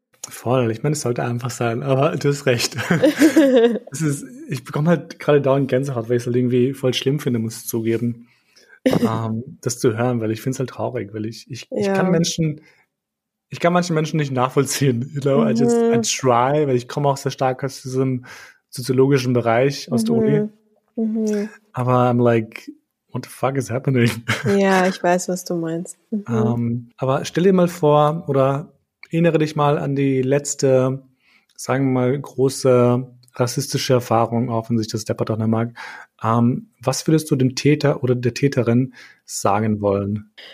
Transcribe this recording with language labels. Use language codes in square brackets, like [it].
[de] Voll, ich meine, es sollte einfach sein, aber du hast recht. Es ist, ich bekomme halt gerade dauernd Gänsehaut, weil ich es halt irgendwie voll schlimm finde, muss ich zugeben, das zu hören, weil ich finde es halt traurig, weil ich kann manchen Menschen nicht nachvollziehen. [en] You know, [de] mhm. [en] I try, [de] weil ich komme auch sehr stark aus diesem soziologischen Bereich aus der Uni. Mhm. [en] Aber I'm like, what the fuck is happening? [de] Ja, ich weiß, was du meinst. Aber stell dir mal vor, oder erinnere dich mal an die letzte, sagen wir mal, große rassistische Erfahrung, auch wenn sich das Deppert auch nicht mag. Was würdest du dem Täter oder der Täterin sagen wollen?